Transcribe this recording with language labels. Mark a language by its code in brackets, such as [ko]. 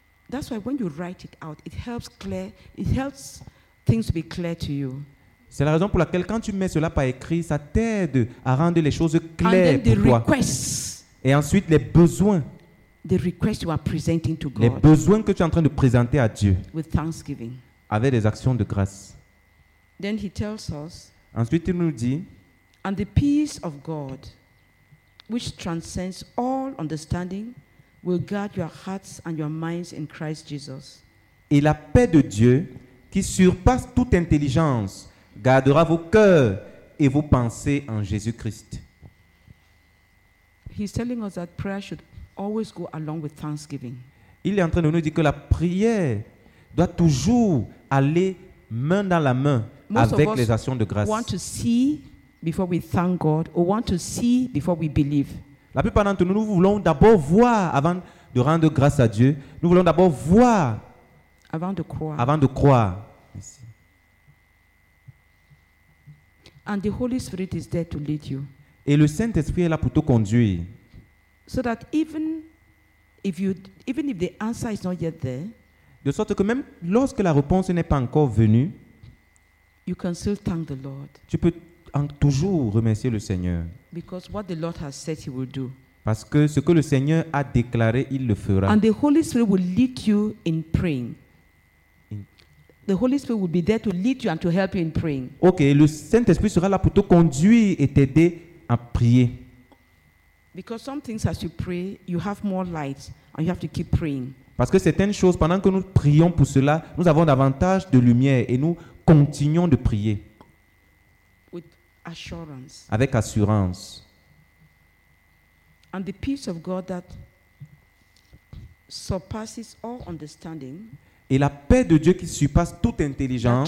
[en] That's why when you write it out, it helps clear, it helps things to be clear to you. [fr] C'est la raison pour laquelle quand tu mets cela par écrit, ça t'aide à rendre les choses claires pour toi. [en] Requests. [fr] Et ensuite les besoins. [en] The requests you are presenting to God. [fr] Les besoins que tu es en train de présenter à Dieu. [en] With thanksgiving. [fr] Avec des actions de grâce. [en] Then he tells us, [fr] ensuite il nous dit, [en] and the peace of God, which transcends all understanding, will guard your hearts and your minds in Christ Jesus. [fr] Et la paix de Dieu, qui surpasse toute intelligence, gardera vos cœurs et vos pensées en Jésus-Christ. [en] He's telling us that prayer should always go along with thanksgiving. [fr] Il est en train de nous dire que la prière doit toujours aller main dans la main avec les actions de grâce. [en] We want to see before we thank God, or want to see before we believe. [fr] La plupart d'entre nous, nous voulons d'abord voir avant de rendre grâce à Dieu. Nous voulons d'abord voir avant de croire. Avant de croire. [en] And the Holy Spirit is there to lead you. [fr] Et le Saint-Esprit est là pour te conduire. [en] So that even if the answer is not yet there, [fr] de sorte que même lorsque la réponse n'est pas encore venue, [en] you can still thank the Lord. [fr] Tu peux toujours remercier le Seigneur. [en] Because what the Lord has said, he will do. [fr] Parce que ce que le Seigneur a déclaré, il le fera. [en] And the Holy Spirit will lead you in praying. The Holy Spirit will be there to lead you and to help you in praying. [fr] Okay, le Saint-Esprit sera là pour te conduire et t'aider à prier. [en] Because some things as you pray, you have more light and you have to keep praying. [fr] Parce que certaines choses, pendant que nous prions pour cela, nous avons davantage de lumière et nous continuons de prier. [en] With assurance. [fr] Avec assurance. [en] And the peace of God that surpasses all understanding. [fr] Et la paix de Dieu qui surpasse toute intelligence,